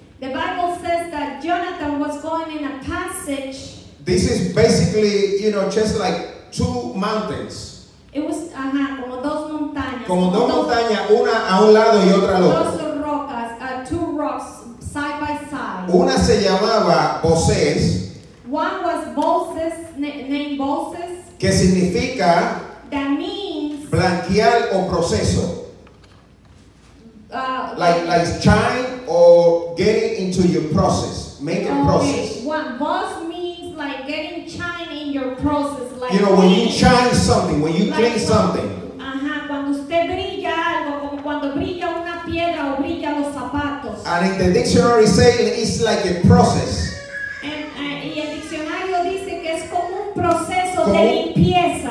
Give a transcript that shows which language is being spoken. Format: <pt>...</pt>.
<en>The Bible says that Jonatán was going in a passage. This is basically, you know, just like two mountains. It was,</en> <es>como dos montañas. Como dos montañas, una a un lado y otra al otro. Dos rocas,</es> <en>two rocks, side by side.</en> <es>Una se llamaba Bosés.</es> <en>One was Bosés, named Bosés.</en> <es>Que significa,</es> <en>that means,</en> <es>blanquear o proceso.</es> <en>Like shine or get it into your process. Make it process. Bosés means like getting shine in your process. You know, when you shine something, when you clean something.</en> <es>Cuando usted brilla algo, como cuando brilla una piedra o brilla los zapatos.</es> <en>And in the dictionary say it's like a process.</en> <es>Y el diccionario dice que es como un proceso de limpieza.</es>